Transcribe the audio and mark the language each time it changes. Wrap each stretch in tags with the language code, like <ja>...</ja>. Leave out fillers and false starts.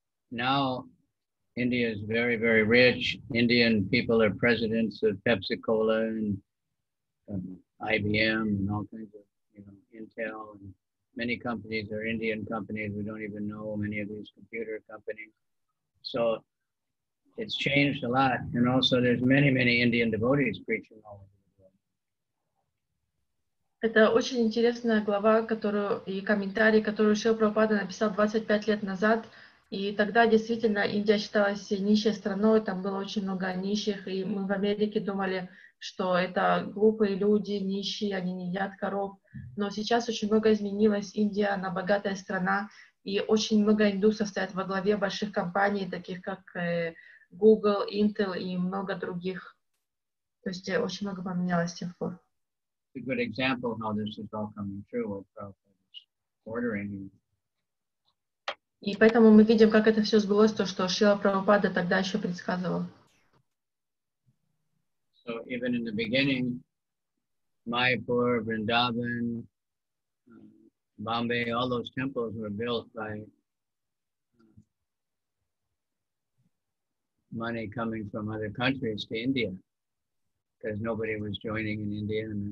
<en>Now, India is very, very rich. Indian people are presidents of Pepsi Cola and IBM and all kinds of, you know, Intel. And many companies are Indian companies. We don't even know many of these computer companies. So it's changed a lot. And also there's many, many Indian devotees preaching all over.</en> <ru>Это очень интересная глава, которую и комментарий, который Шрила Прабхупада написал 25 лет назад. И тогда действительно Индия считалась нищей страной, там было очень много нищих, и мы в Америке думали, что это глупые люди, нищие, они не едят коров. Но сейчас очень много изменилось. Индия, она богатая страна, и очень много индусов стоят во главе больших компаний, таких как Google, Intel и много других. То есть очень много поменялось с тех пор.</ru> <en>A good example how this is all coming true with Prabhupada's ordering.</en> <ru>И поэтому мы видим, как это все сбылось, то, что Шрила Прабхупада тогда еще предсказывал.</ru> <en>So even in the beginning, Mayapur, Vrindavan, Bombay, all those temples were built by money coming from other countries to India, because nobody was joining in India.</en>